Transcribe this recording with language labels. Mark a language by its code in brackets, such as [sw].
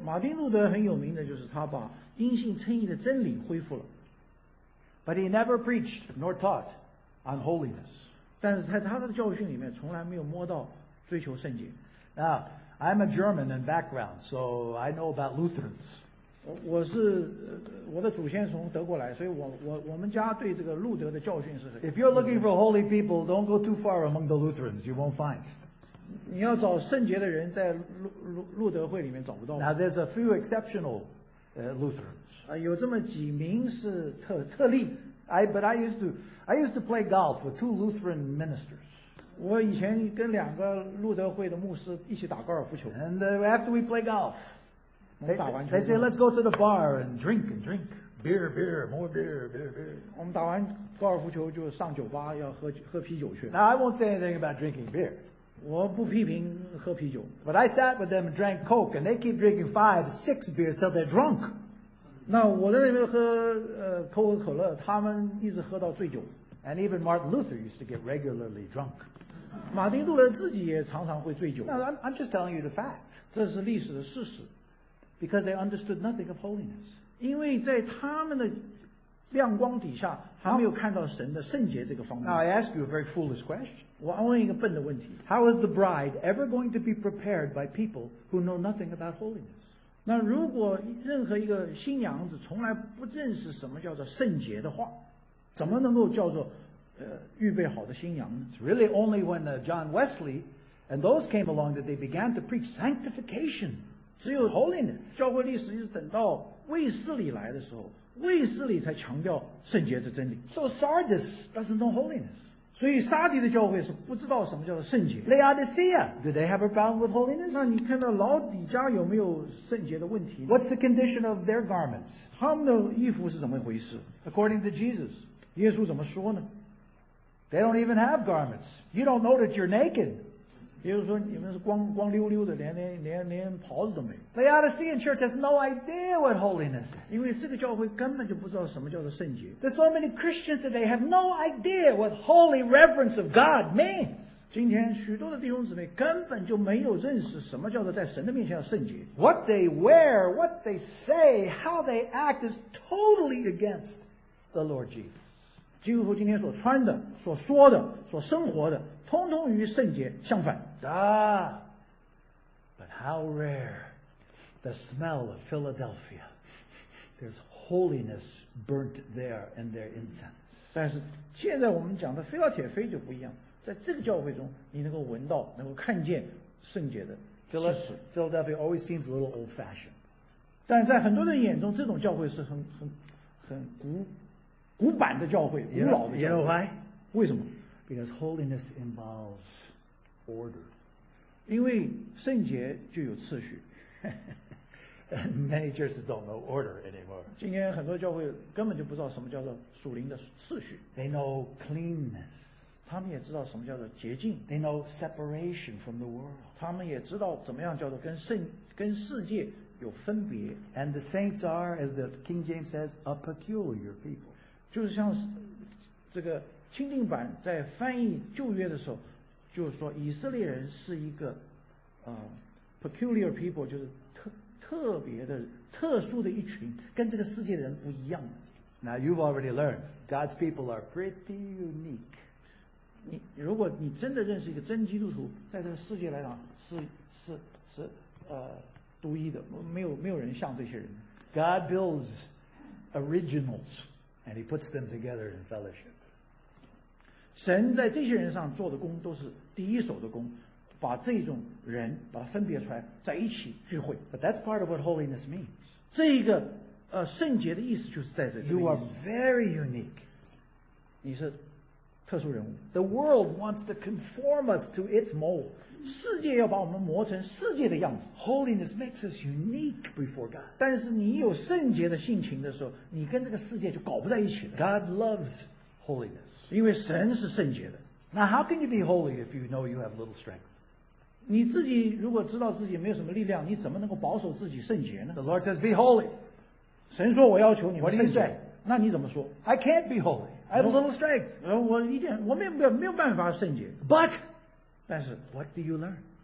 [zh] 马丁路德很有名的就是他把因信称义的真理恢复了。 [en] But he never preached nor taught on holiness. [zh] 但是在他的教训里面从来没有摸到追求圣洁。 [en] Now, I'm a German in background, so I know about Lutherans. [zh] 我是我的祖先从德国来，所以我们家对这个路德的教训是很。 [en] If you're looking for holy people, don't go too far among the Lutherans. You won't find. [zh] 你要找圣洁的人，在路德会里面找不到。 [en] Now there's a few exceptional Lutherans. [zh] 有这么几名是特例。 [en] I used to play golf with two Lutheran ministers. [zh] 我以前跟两个路德会的牧师一起打高尔夫球。 [en] And after we play golf. They say, let's go to the bar and drink, beer, beer, more beer, beer, beer. [zh] 我们打完高尔夫球就上酒吧要喝啤酒去。 [en] Now, I won't say anything about drinking beer. [zh] 我不批评喝啤酒。 [en] But I sat with them and drank Coke, and they keep drinking 5-6 beers till they're drunk. [zh] 那我在那边喝可口可乐，他们一直喝到醉酒。 [en] And even Martin Luther used to get regularly drunk. [zh] 马丁路德自己也常常会醉酒。 [en] Now, I'm just telling you the fact. [zh] 这是历史的事实。 [en] Because they understood nothing of holiness. [zh] 因为在他们的亮光底下还没有看到神的圣洁这个方面。 [en] Now I ask you a very foolish question. [zh] 我问一个笨的问题。 [en] How is the bride ever going to be prepared by people who know nothing about holiness? [zh] 那如果任何一个新娘子从来不认识什么叫做圣洁的话，怎么能够叫做预备好的新娘呢？ [en] It's really only when John Wesley and those came along that they began to preach sanctification. [zh] 只有 holiness 教会历史就是等到卫斯理来的时候，卫斯理才强调圣洁的真理。 [en] So Sardis doesn't know holiness. [zh] 所以沙迪的教会是不知道什么叫做圣洁。 [en] Laodicea, do they have a problem with holiness? [zh] 那你看到老底家有没有圣洁的问题？ [en] What's the condition of their garments? [zh] 他们的衣服是怎么回事？ [en] According to Jesus, [zh] 耶稣怎么说呢？ [en] They don't even have garments. You don't know that you're naked. [zh] 也就是说你们是 光溜溜的 连袍子都没有。 [en] Laodicean church has no idea what holiness is. [zh] 因为这个教会根本就不知道什么叫做圣洁。 [en] There's so many Christians today have no idea what holy reverence of God means. [zh] 今天许多的弟兄姊妹根本就没有认识什么叫做在神的面前要圣洁。 [en] What they wear, what they say, how they act is totally against the Lord Jesus. [zh] 基督徒今天所穿的、所说的、所生活的，通通与圣洁相反。 [en] But how rare the smell of Philadelphia. There's holiness burnt there in their incense. [zh] 但是现在我们讲的腓立铁菲就不一样，在这个教会中，你能够闻到、能够看见圣洁的气息。 [en] Philadelphia always seems a little old-fashioned. [zh] 但在很多人眼中，这种教会是很古板的教会，古老的教会。 [en] You know why? [zh] 为什么？ [en] Because holiness involves order. [zh] 因为圣洁就有秩序。 [en] Many churches don't know order anymore. [zh] 今天很多教会根本就不知道什么叫做属灵的秩序。 [en] They know cleanness. [zh] 他们也知道什么叫做洁净。 [en] They know separation from the world. [zh] 他们也知道怎么样叫做跟世界有分别。 [en] And the saints are, as the King James says, a peculiar people. [zh] 就是像这个钦定版在翻译旧约的时候，就是说以色列人是一个 [en] peculiar people， [zh] 就是特别的、特殊的一群，跟这个世界的人不一样。 [en] Now you've already learned God's people are pretty unique. [zh] 你如果你真的认识一个真基督徒，在这个世界来讲是独一的，没有人像这些人。 [en] God builds originals. And he puts them together in fellowship. [zh] 神在这些人上做的工都是第一手的工，把这种人把它分别出来，在一起聚会。 [en] But that's part of what holiness means. [zh] 这一个圣洁的意思就是在这个意思。 [en] You are very unique. [zh] 你是特殊人物。 [en] The world wants to conform us to its mold. [zh] 世界要把我们磨成世界的样子。 [en] Holiness makes us unique before God. [zh] 但是你有圣洁的性情的时候，你跟这个世界就搞不在一起了。 [en] God loves holiness. [zh] 因为神是圣洁的。 [en] Now how can you be holy if you know you have little strength? [zh] 你自己如果知道自己没有什么力量，你怎么能够保守自己圣洁呢？ [en] The Lord says, be holy. [zh] 神说我要求你们圣洁。 [en] What do you say? [zh] 那你怎么说？ [en] I can't be holy. I have little strength. [zh] 我一点，我没有办法圣洁。 [en] But, [zh] 但是 [en] what do you learn?